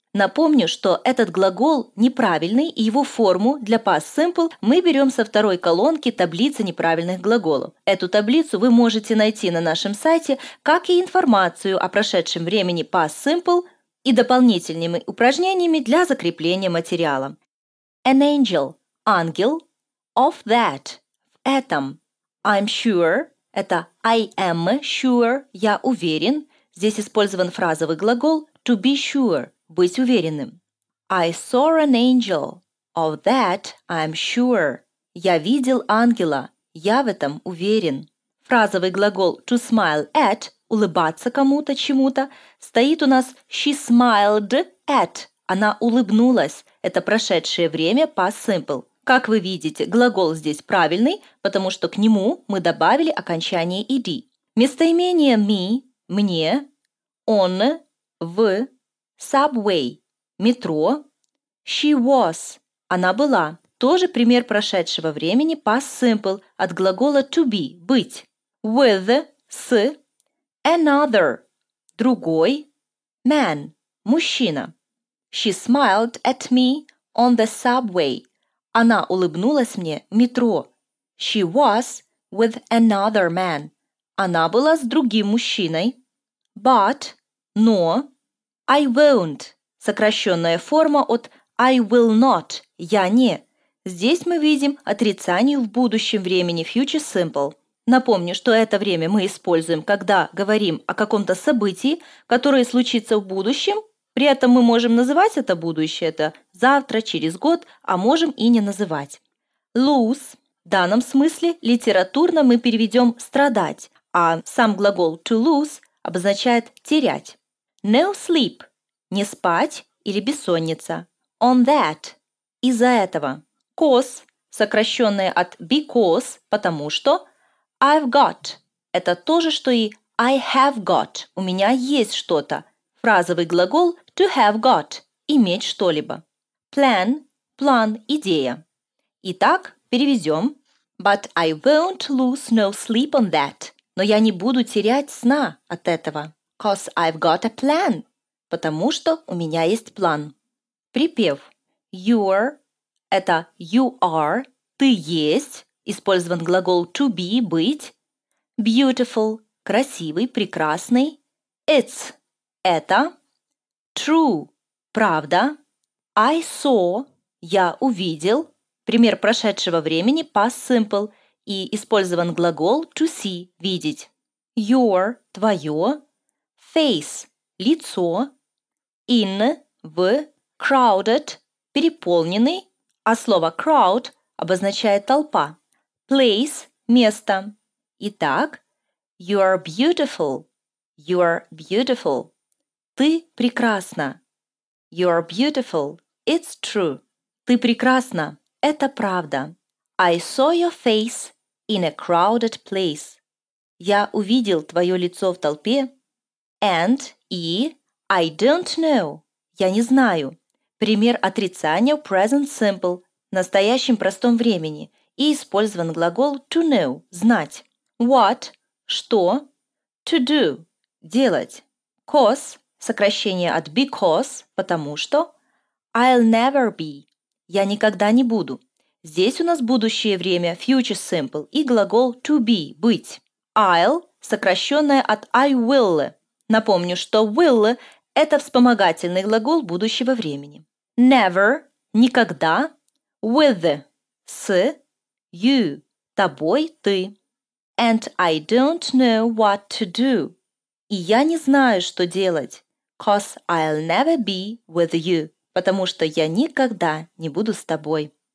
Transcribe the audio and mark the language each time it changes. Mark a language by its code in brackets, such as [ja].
[ru] Напомню, что этот глагол неправильный, и его форму для past simple мы берем со второй колонки таблицы неправильных глаголов. Эту таблицу вы можете найти на нашем сайте, как и информацию о прошедшем времени past simple и дополнительными упражнениями для закрепления материала. [en] An angel – ангел. Of that – в этом. I'm sure – это I am sure – [ru] я уверен. Здесь использован фразовый глагол to be sure – быть уверенным. [en] I saw an angel. Of that I'm sure. [ru] Я видел ангела. Я в этом уверен. Фразовый глагол to smile at – улыбаться кому-то, чему-то. Стоит у нас she smiled at – она улыбнулась. Это прошедшее время past simple. Как вы видите, глагол здесь правильный, потому что к нему мы добавили окончание ed. Местоимение me – мне, он, в, subway, метро, she was, она была. Тоже пример прошедшего времени past simple от глагола to be, быть. [en] With, с, another, другой, man, мужчина. She smiled at me on the subway. [ru] Она улыбнулась мне в метро. [en] She was with another man. [ru] Она была с другим мужчиной. [en] But, [ru] но, [en] I won't, [ru] сокращенная форма от [en] I will not, [ru] я не. Здесь мы видим отрицание в будущем времени future simple. Напомню, что это время мы используем, когда говорим о каком-то событии, которое случится в будущем. При этом мы можем называть это будущее, это завтра, через год, а можем и не называть. Lose, в данном смысле, литературно мы переведем страдать, а сам глагол to lose – обозначает терять. No sleep – не спать или бессонница. On that – из-за этого. Cause – сокращенное от because, потому что. I've got – это то же, что и [en] I have got [ru] – у меня есть что-то. Фразовый глагол to have got – иметь что-либо. Plan – план, идея. Итак, переведем. [en] But I won't lose no sleep on that. [ru] Но я не буду терять сна от этого. [en] Cause I've got a plan. [ru] Потому что у меня есть план. Припев. [en] You're – это you are, ты есть. [ru] Использован глагол to be – быть. Beautiful – красивый, прекрасный. [en] It's – это. True – правда. I saw – я увидел. [ru] Пример прошедшего времени past simple – и использован глагол to see – видеть. [en] Your – твое. Face – лицо. In – в. [ru] Crowded – переполненный. А слово crowd обозначает толпа. [en] Place – место. Итак, you are beautiful. You are beautiful. [ru] Ты прекрасна. [en] You are beautiful. It's true. [ru] Ты прекрасна. Это правда. [en] I saw your face in a crowded place. [ru] Я увидел твое лицо в толпе. [en] And и I don't know. [ru] Я не знаю. Пример отрицания в present simple, в настоящем простом времени. И использован глагол to know, знать. [en] What, что, to do, делать. [ru] Cause, сокращение от because, потому что. [en] I'll never be. [ru] Я никогда не буду. Здесь у нас будущее время, future simple, и глагол to be, быть. I'll, сокращенное от I will. Напомню, что will – это вспомогательный глагол будущего времени. Never – никогда. [en] With – с. [ru] You – тобой, ты. [en] And I don't know what to do. [ru] И я не знаю, что делать. [en] Cause I'll never be with you. [ru] Потому что я никогда не буду с тобой.